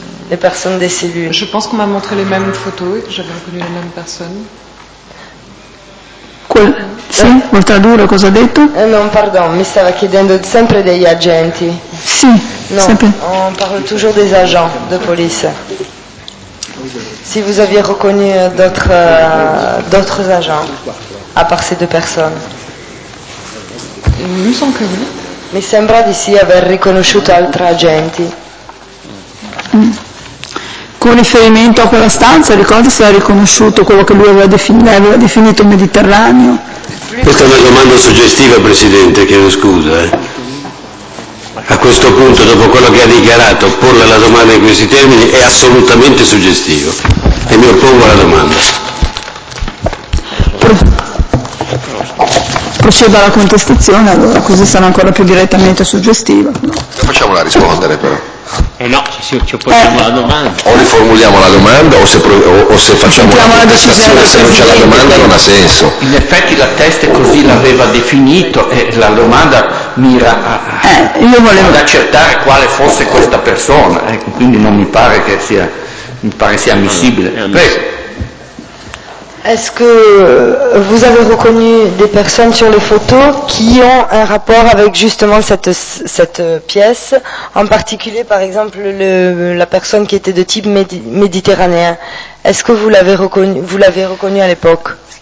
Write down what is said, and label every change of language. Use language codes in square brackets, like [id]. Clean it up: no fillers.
[fr] Les personnes des cellules. Je pense qu'on m'a montré les mêmes photos et que j'avais reconnu les mêmes personnes. [it] Sì, vuol tradurre cosa ha detto? [fr] Non, pardon, [it] mi stava chiedendo sempre degli agenti. Sì, non, sempre. [fr] On parle toujours des agents de police. Si vous aviez reconnu d'autres agents, à part ces deux personnes. Non, sans que vous. [it] Mi sembra di sì aver riconosciuto altri agenti. Con riferimento a quella stanza, ricorda se ha riconosciuto quello che lui aveva definito Mediterraneo? Questa è una domanda suggestiva, Presidente, chiedo scusa. A questo punto, dopo quello che ha dichiarato, porre la domanda in questi termini è assolutamente suggestivo. E mi oppongo alla domanda. Proceda alla contestazione, allora, così sarà ancora più direttamente suggestiva. No. Facciamola rispondere, però. No, ci opponiamo la domanda. O riformuliamo la domanda o se facciamo sentiamo la decisione, se non c'è la domanda non ha senso. In effetti la testa così l'aveva definito e la domanda mira ad accertare quale fosse questa persona, ecco, quindi non mi pare che sia, mi pare sia ammissibile. Prego. [fr] Est-ce que vous avez reconnu des personnes sur les photos qui ont un rapport avec justement cette pièce, en particulier par exemple la personne qui était de type méditerranéen? Est-ce que vous l'avez reconnu à l'époque?